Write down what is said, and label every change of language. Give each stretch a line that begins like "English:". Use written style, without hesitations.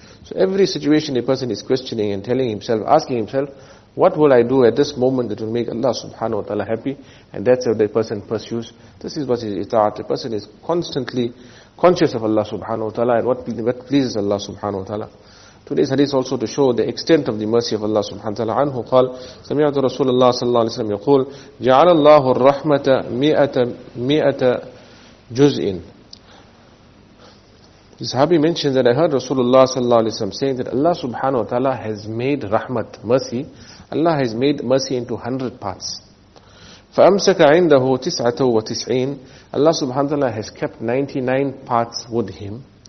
English: So every situation a person is questioning and telling himself, asking himself, what will I do at this moment that will make Allah subhanahu wa ta'ala happy? And that's what the person pursues. This is what is ita'at. A person is constantly conscious of Allah subhanahu wa ta'ala and what pleases Allah subhanahu wa ta'ala. Today's hadith also to show the extent of the mercy of Allah subhanahu wa ta'ala.
Arabic: Anhu qal, سَمِعَتُ رَسُولَ اللَّهِ صَلَّى اللَّهِ وَسَلَّمَ يَقُولْ جَعَلَ اللَّهُ الرَّحْمَةَ مِئَةَ جُزْءٍ.
English: The Sahabi mentioned that I heard Rasulullah sallallahu alayhi wa sallam saying that Allah subhanahu wa ta'ala has made rahmat, mercy. Allah has made mercy into 100 parts.
Arabic: فَأَمْسَكَ عِنْدَهُ تِسْعَةَ وَتِسْعِينَ.
English: Allah subhanahu wa ta'ala has kept 99 parts with him.